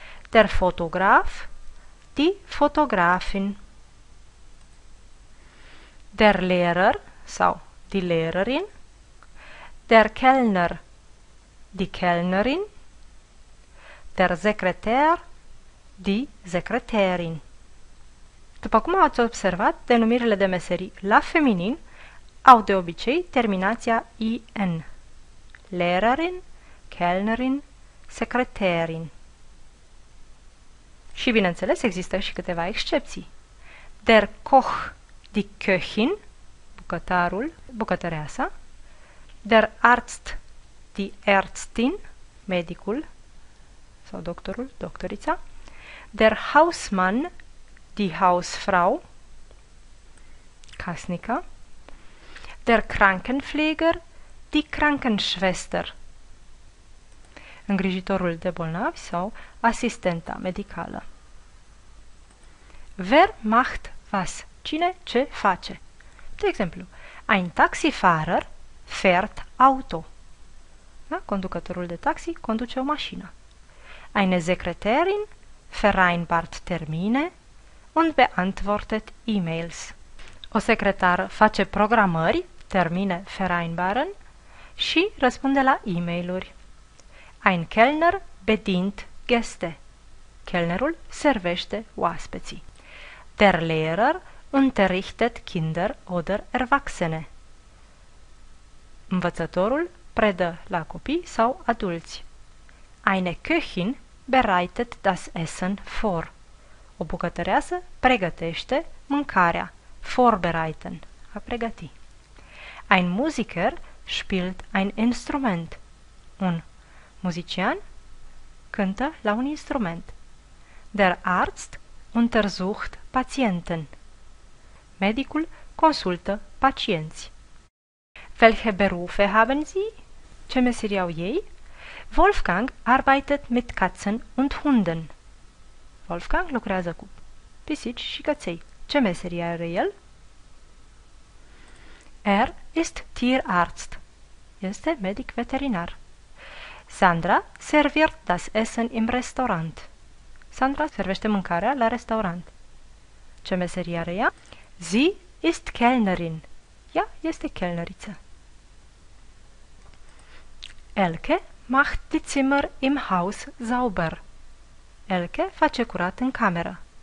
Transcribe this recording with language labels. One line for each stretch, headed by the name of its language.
German: Der Fotograf, die Fotografin. Der Lehrer, sau die Lehrerin. Der Kellner, die Kellnerin. Der Sekretär, die Sekretärin.
Romanian: După cum ați observat, denumirile de meserii la feminin au de obicei terminația IN.
German: Lehrerin, Kellnerin, Sekretärin.
Romanian: Și bineînțeles, există și câteva excepții.
German: Der Koch, die Köchin,
Romanian: bucătarul, bucătăreasa.
German: Der Arzt, die Ärztin,
Romanian: medicul sau doctorul, doctorița.
German: Der Hausmann, die Hausfrau,
Romanian: casnica.
German: Der Krankenpfleger, die Krankenschwester,
Romanian: îngrijitorul de bolnavi sau asistenta medicală.
German: Wer macht was?
Romanian: Cine ce face? De exemplu,
German: ein Taxifahrer fährt Auto.
Romanian: Da? Conducătorul de taxi conduce o mașină.
German: Eine Sekretärin vereinbart Termine und beantwortet E-Mails.
Romanian: O secretar face programări,
German: Termine vereinbaren,
Romanian: și răspunde la e-mail-uri.
German: Ein Kellner bedient Gäste.
Romanian: Kellnerul servește oaspeții.
German: Der Lehrer unterrichtet Kinder oder Erwachsene.
Romanian: Învățătorul predă la copii sau adulți.
German: Eine Köchin bereitet das Essen vor.
Romanian: O bucătăreasă pregătește mâncarea.
German: Vorbereiten.
Romanian: A pregăti.
German: Ein Musiker spielt ein Instrument.
Romanian: Un muzician cântă la un instrument.
German: Der Arzt untersucht Patienten.
Romanian: Medicul consultă pacienți.
German: Welche Berufe haben Sie?
Romanian: Ce meserie au ei?
German: Wolfgang arbeitet mit Katzen und Hunden.
Romanian: Wolfgang lucrează cu pisici și căței. Ce meserie are el?
German: Er ist Tierarzt.
Romanian: Este medic veterinar.
German: Sandra serviert das Essen im Restaurant.
Romanian: Sandra servește mâncarea la restaurant. Ce meserie are ea?
German: Sie ist Kellnerin.
Romanian: Ea este kellneriță.
German: Elke macht die Zimmer im Haus sauber.
Romanian: Elke face curat în cameră.